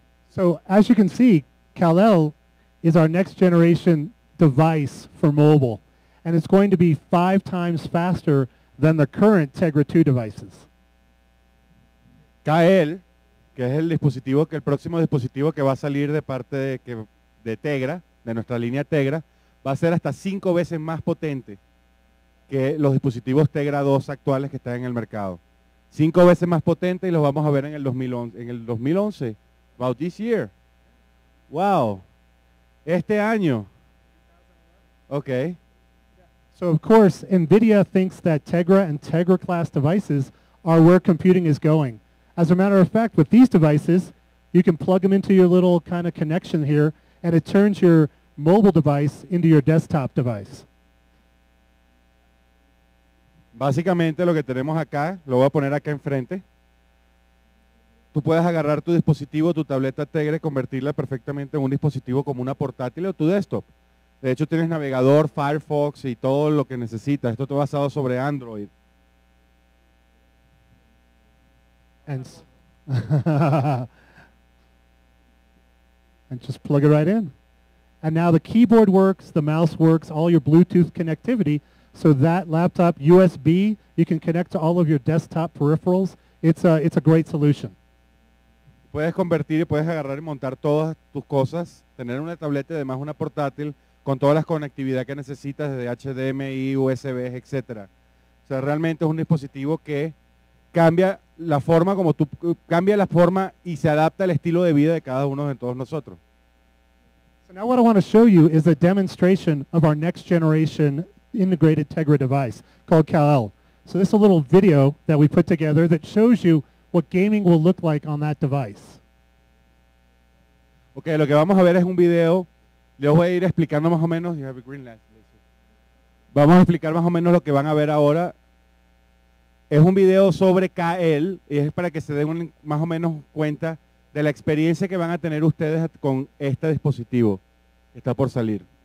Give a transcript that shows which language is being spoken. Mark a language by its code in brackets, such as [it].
[en] So, as you can see, Kal-El is our next generation device for mobile. And it's going to be 5 times faster than the current Tegra 2 devices. [es] Kal, que es el dispositivo, que el próximo dispositivo que va a salir de parte de Tegra, de nuestra línea Tegra, va a ser hasta 5 veces más potente que los dispositivos Tegra 2 actuales que están en el mercado. 5 veces más potente y los vamos a ver en el 2011. En el 2011, [en] about this year. Wow. [es] Este año. Ok. [en] So, of course, NVIDIA thinks that Tegra and Tegra class devices are where computing is going. As a matter of fact, with these devices, you can plug them into your little kind of connection here, and it turns your mobile device into your desktop device. [es] Básicamente lo que tenemos acá, lo voy a poner acá enfrente. Tú puedes agarrar tu dispositivo, tu tableta Tegra, convertirla perfectamente en un dispositivo como una portátil o tu desktop. De hecho, tienes navegador, Firefox y todo lo que necesitas. Esto está basado sobre Android. [en] And just plug it right in. And now the keyboard works, the mouse works, all your Bluetooth connectivity. So that laptop USB, you can connect to all of your desktop peripherals. It's a great solution. [es] Puedes convertir y puedes agarrar y montar todas tus cosas, tener una tableta y además una portátil con todas las conectividad que necesitas desde HDMI, USB, etc. O sea, realmente es un dispositivo que cambia la forma como tú cambia la forma y se adapta al estilo de vida de cada uno de todos nosotros. [en] Now what I want to show you is a demonstration of our next generation integrated Tegra device called Kal-El. So this is a little video that we put together that shows you what gaming will look like on that device. [es] Okay, lo que vamos a ver es un video. Les voy a ir explicando más o menos. [en] You have a green light. [es] Vamos a explicar más o menos lo que van a ver ahora. Es un video sobre Kal y es para que se den más o menos cuenta de la experiencia que van a tener ustedes con este dispositivo que está por salir.